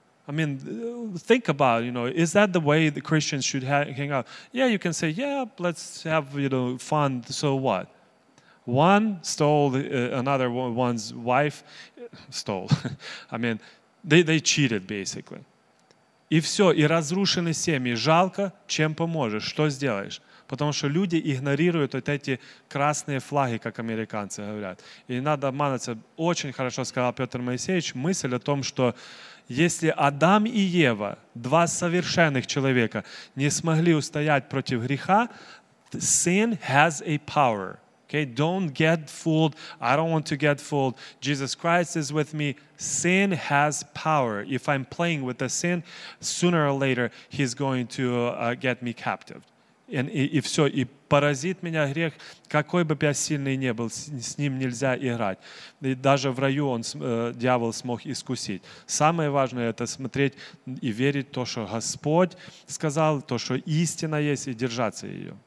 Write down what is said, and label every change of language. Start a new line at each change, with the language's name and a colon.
English: I mean, think about, you know, is that the way the Christians should hang out? Yeah, you can say, yeah, let's have, you know, fun, so what? One stole another one's wife, stole. I mean, they cheated, basically.
Russian: И все, и разрушены семьи. Жалко, чем поможешь, что сделаешь? Потому что люди игнорируют вот эти красные флаги, как американцы говорят. И надо обманываться. Очень хорошо сказал Петр Моисеевич мысль о том, что если Адам и Ева, два совершенных человека, не смогли устоять против греха,
English: sin has a power. Okay, don't get fooled. I don't want to get fooled. Jesus Christ is with me. Sin has power. If I'm playing with the sin, sooner or later, he's going to get me captive.
Russian: И все, и поразит меня грех, какой бы я сильный ни был, с ним нельзя играть. И даже в раю он, дьявол смог искусить. Самое важное – это смотреть и верить то, что Господь сказал, то, что истина есть, и держаться ее.